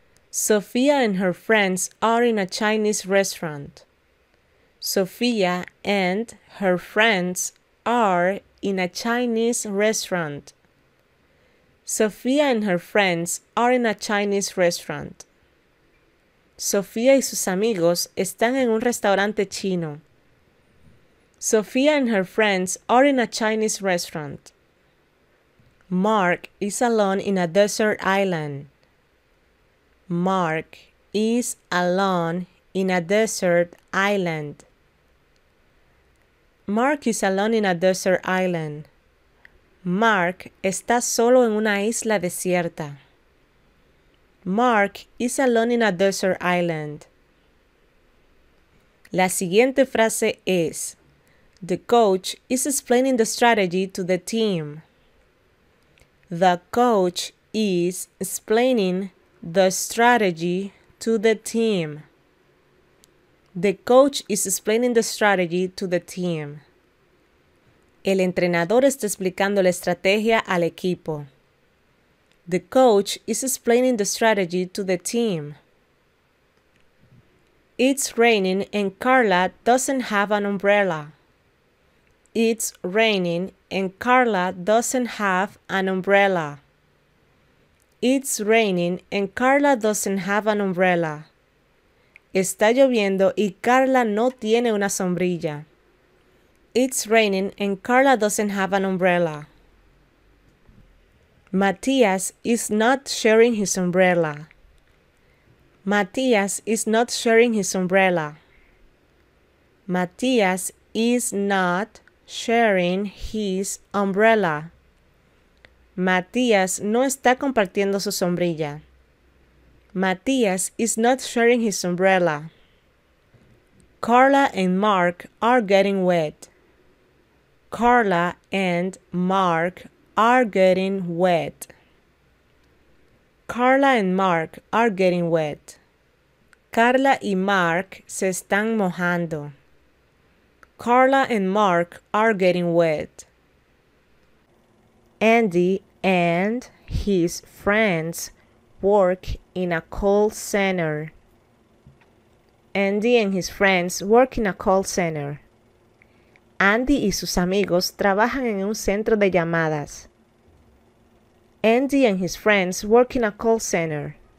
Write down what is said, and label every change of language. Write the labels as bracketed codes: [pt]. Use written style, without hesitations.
[en] Sofía and her friends are in a Chinese restaurant. Sofía and her friends are in a Chinese restaurant. Sofía and her friends are in a Chinese restaurant. [es] Sofía y sus amigos están en un restaurante chino. [en] Sofía and her friends are in a Chinese restaurant. Mark is alone in a desert island. Mark is alone in a desert island. Mark is alone in a desert island. [es] Mark está solo en una isla desierta. [en] Mark is alone in a desert island. [es] La siguiente frase es: [en] The coach is explaining the strategy to the team. The coach is explaining the strategy to the team. The coach is explaining the strategy to the team. [es] El entrenador está explicando la estrategia al equipo. [en] The coach is explaining the strategy to the team. It's raining and Carla doesn't have an umbrella. It's raining and Carla doesn't have an umbrella. It's raining and Carla doesn't have an umbrella. [es] Está lloviendo y Carla no tiene una sombrilla. [en] It's raining and Carla doesn't have an umbrella. Matías is not sharing his umbrella. Matías is not sharing his umbrella. Matías is not sharing his umbrella. [es] Matías no está compartiendo su sombrilla. [en] Matías is not sharing his umbrella. Carla and Mark are getting wet. Carla and Mark are getting wet. Carla and Mark are getting wet. [es] Carla y Mark se están mojando. [en] Carla and Mark are getting wet. Andy and his friends work in a call center. Andy and his friends work in a call center. [es] Andy y sus amigos trabajan en un centro de llamadas. [en] Andy and his friends work in a call center.